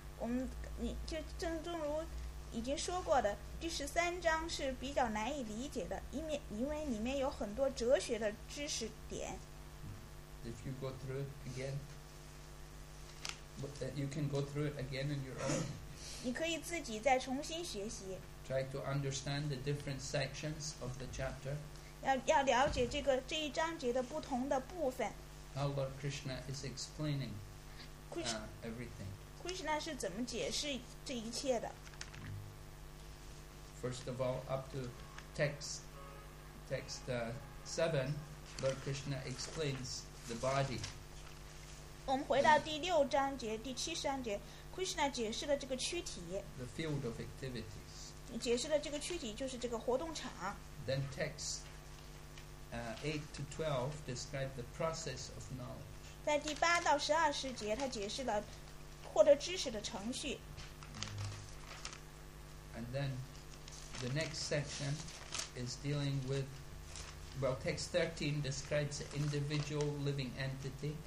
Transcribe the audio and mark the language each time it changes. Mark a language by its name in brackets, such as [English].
[Chinese] 我们就正如已经说过的，第十三章是比较难以理解的，因为里面有很多哲学的知识点。 [English] If you go through it again, you can go through it again on your own. [Chinese] 你可以自己再重新学习。 [English] Try to understand the different sections of the chapter. [Chinese] 要了解这一章节的不同的部分。 [English] How Lord Krishna is explaining. Everything. [Chinese] Krishna 是怎么解释这一切的？ [English] First of all, up to text 7, Lord Krishna explains the body. [Chinese] 我们回到第六章节第七章节 Krishna 解释了这个躯体 [English] The field of activities. [Chinese] 解释了这个躯体就是这个活动场 [English] Then text 8 to 12 describe the process of knowledge. [Chinese] 在第8到12章节他解释了获得知识的程序 [English] And then the next section is dealing with Well, text 13 describes an individual living entity.